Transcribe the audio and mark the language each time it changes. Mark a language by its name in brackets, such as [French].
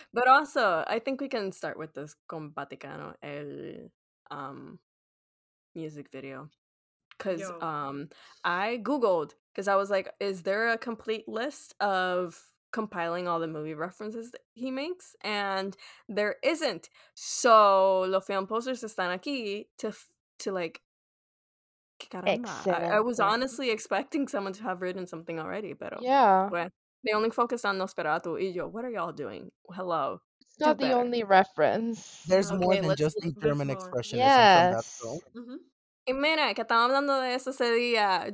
[English] But also, I think we can start with this [Spanish] con Vaticano, el music video. [English] Because I Googled, because I was like, is there a complete list of compiling all the movie references that he makes? And there isn't. So [Spanish] los film posters están aquí [English] to like, [Spanish] caramba. [English] I was honestly expecting someone to have written something already, [Spanish] pero [English] they only focused on Nosferatu [Spanish] y yo. [English] What are y'all doing? Hello. It's not the only reference. There's more than just the German expressionism from that film. [Spanish] Y mira, que estamos hablando de eso ese día.